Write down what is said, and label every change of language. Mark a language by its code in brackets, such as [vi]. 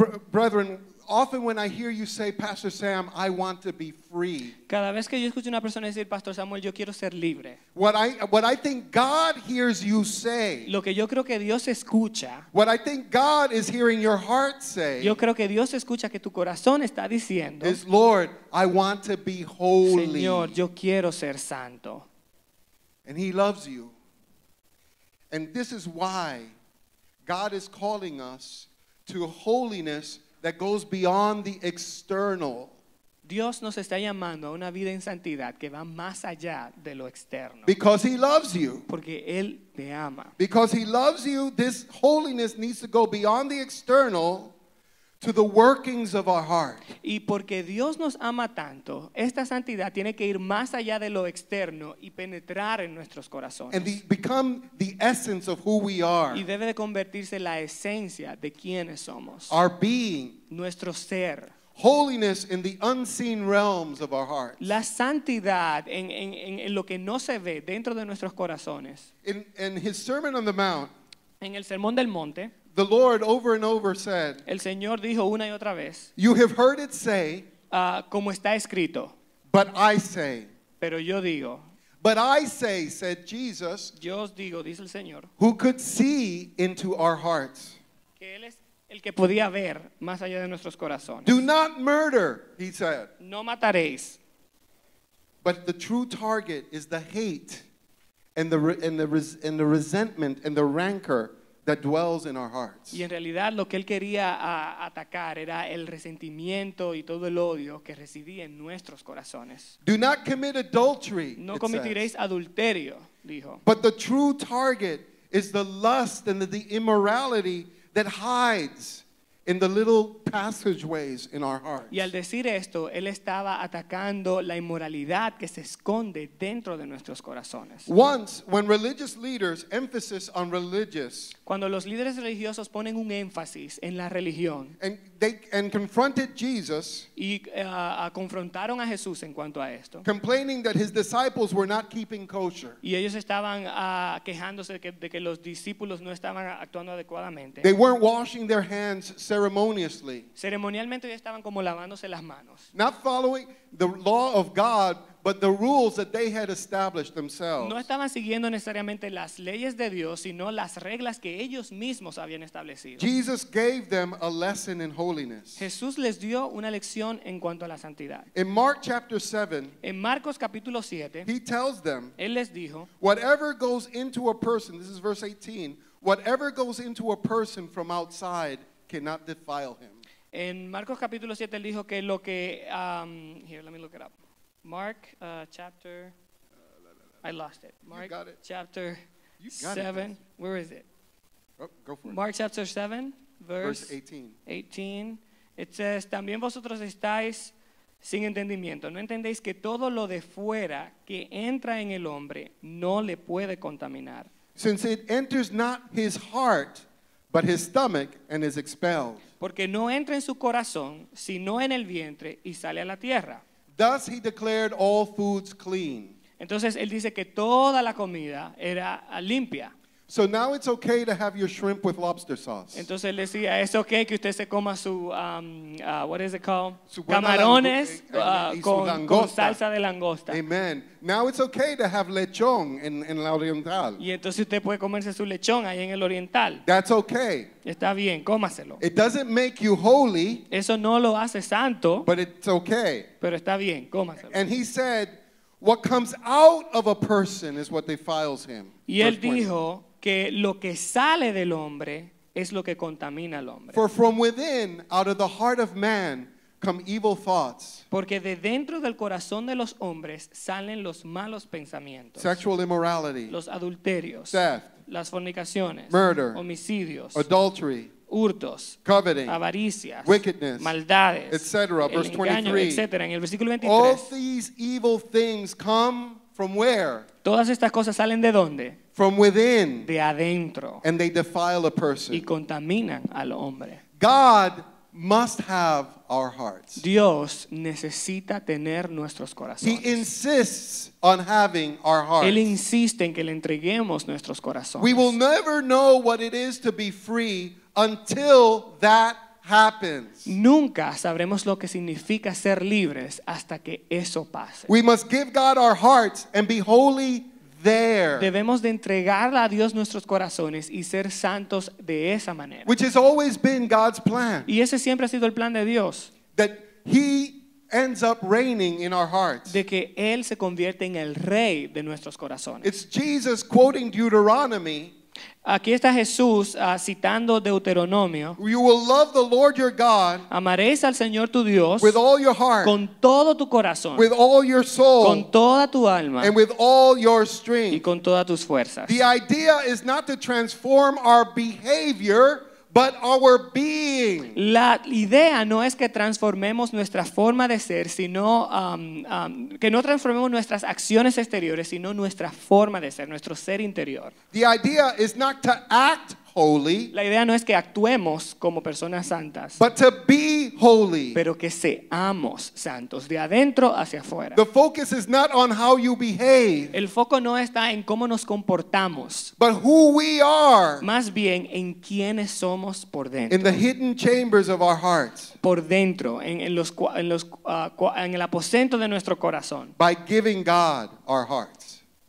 [en] Brethren, often when I hear you say, Pastor Sam, I want to be free. [es] Cada vez que yo escucho una persona decir, Pastor Samuel, yo quiero ser libre. [en] What I think God hears you say. [es] Lo que yo creo que Dios escucha. [en] What I think God is hearing your heart say. [es] Yo creo que Dios escucha que tu corazón está diciendo. [en] Is, Lord, I want to be holy. [es] Señor, yo quiero ser santo. [en] And he loves you. And this is why God is calling us to holiness that goes beyond the external. [es] Dios nos está llamando a una vida en santidad que va más allá de lo externo. [en] Because he loves you. [es] Porque él te ama. [en] Because he loves you, this holiness needs to go beyond the external to the workings of our heart. [es] Y porque Dios nos ama tanto, esta santidad tiene que ir más allá de lo externo y penetrar en nuestros corazones. [en] And become the essence of who we are. [es] Y debe de convertirse la esencia de quiénes somos. [en] Our being. [es] Nuestro ser. [en] Holiness in the unseen realms of our hearts. [es] La santidad en lo que no se ve dentro de nuestros corazones. [en] In his Sermon on the Mount. [es] En el Sermón del Monte. [en] The Lord over and over said. [es] El Señor dijo una y otra vez. [en] You have heard it say. [es] Como está escrito. [en] But I say. [es] Pero yo digo. [en] But I say, said Jesus. [es] Yo os digo, dice el Señor. [en] Who could see into our hearts? [es] Que él es el que podía ver más allá de nuestros corazones. [en] Do not murder, he said. [es] No mataréis. [en] But the true target is the hate and the resentment and the rancor that dwells in our hearts. [es] Y en realidad lo que él quería atacar era el resentimiento y todo el odio que residía en nuestros corazones. [en] Do not commit adultery, [es] no cometiréis adulterio, dijo. [en] But the true target is the lust and the immorality that hides in the little passageways in our hearts. [es] Y al decir esto, él estaba atacando la inmoralidad que se esconde dentro de nuestros corazones. [en] Once, when religious leaders emphasis on religious, [es] cuando los líderes religiosos ponen un énfasis en la religión, [en] and confronted Jesus, [es] y confrontaron a Jesús en cuanto a esto, [en] complaining that his disciples were not keeping kosher, [es] y ellos estaban quejándose de que los discípulos no estaban actuando adecuadamente. [en] They weren't washing their hands ceremoniously. [es] Ceremonialmente ya estaban como lavándose las manos. [en] Not following the law of God, but the rules that they had established themselves. [es] No estaban siguiendo necesariamente las leyes de Dios, sino las reglas que ellos mismos habían establecido. [en] Jesus gave them a lesson in holiness. [es] Jesús les dio una lección en cuanto a la santidad. [en] In Mark chapter 7, [es] en Marcos capítulo 7, [en] he tells them, [es] él les dijo, [en] whatever goes into a person, this is verse 18, whatever goes into a person from outside cannot defile him. [es] En Marcos capítulo 7 él dijo que lo que [en] here, let me look it up. Mark chapter I lost it. Mark you got it. Chapter you got 7. It, where is it? Oh, go for it. Mark chapter 7 verse 18. It says, [es] también vosotros estáis sin entendimiento. No entendéis que todo lo de fuera que entra en el hombre no le puede contaminar. [en] Since it enters not his heart, but his stomach, and is expelled. [es] Porque no entra en su corazón, sino en el vientre, y sale a la tierra. [en] Thus he declared all foods clean. [es] Entonces él dice que toda la comida era limpia. [en] So now it's okay to have your shrimp with lobster sauce. [es] Entonces él decía, es okay que usted se coma su, [en] what is it called? [es] Camarones con salsa de langosta. [en] Amen. Now it's okay to have [es] lechón en la oriental. Y entonces usted puede comerse su lechón ahí en el oriental. [en] That's okay. [es] Está bien, cómaselo. [en] It doesn't make you holy. [es] Eso no lo hace santo. [en] But it's okay. [es] Pero está bien, cómaselo. [en] And he said, what comes out of a person is what defiles him. [es] Y él dijo que lo que sale del hombre es lo que contamina al hombre. [en] For from within, out of the heart of man, come evil thoughts. [es] Porque de dentro del corazón de los hombres salen los malos pensamientos. [en] Sexual immorality. [es] Los adulterios. [en] Theft. [es] Las fornicaciones. [en] Murder. [es] Homicidios. [en] Adultery. [es] Hurtos. [en] Coveting. [es] Avaricias. [en] Wickedness. [es] Maldades. [en] Etc. Verse [es] 23. Etcétera. En el versículo 23. [en] All these evil things come from where? [es] Todas estas cosas salen de dónde? [en] From within. [es] De adentro. [en] And they defile a person. [es] Y contaminan al hombre. [en] God must have our hearts. [es] Dios necesita tener nuestros corazones. [en] He insists on having our hearts. [es] Él insiste en que le entreguemos nuestros corazones. [en] We will never know what it is to be free until that happens. [es] Nunca sabremos lo que significa ser libres hasta que eso pase. [en] We must give God our hearts and be holy there. [es] Debemos de entregarle a Dios nuestros corazones y ser santos de esa manera. [en] Which has always been God's plan. [es] Y ese siempre ha sido el plan de Dios. [en] That he ends up reigning in our hearts. [es] De que él se convierte en el rey de nuestros corazones. [en] It's Jesus quoting Deuteronomy. [es] Aquí está Jesús citando Deuteronomio. [en] You will love the Lord your God. [es] Amaréis al Señor tu Dios. [en] With all your heart. [es] Con todo tu corazón. [en] With all your soul. [es] Con toda tu alma. [en] And with all your strength. [es] Y con todas tus fuerzas. [en] The idea is not to transform our behavior, but our being. [es] La idea no es que transformemos nuestra forma de ser, sino que no transformemos nuestras acciones exteriores, sino nuestra forma de ser, nuestro ser interior. [en] The idea is not to act holy. [es] La idea no es que actuemos como personas santas. [en] But to be holy. [es] Pero que seamos santos de adentro hacia afuera. [en] The focus is not on how you behave. [es] El foco no está en cómo nos comportamos. [en] But who we are. [es] Más bien en quiénes somos por dentro. [en] In the hidden chambers of our hearts. [es] Por dentro, en el aposento de nuestro corazón. [en] By giving God our hearts.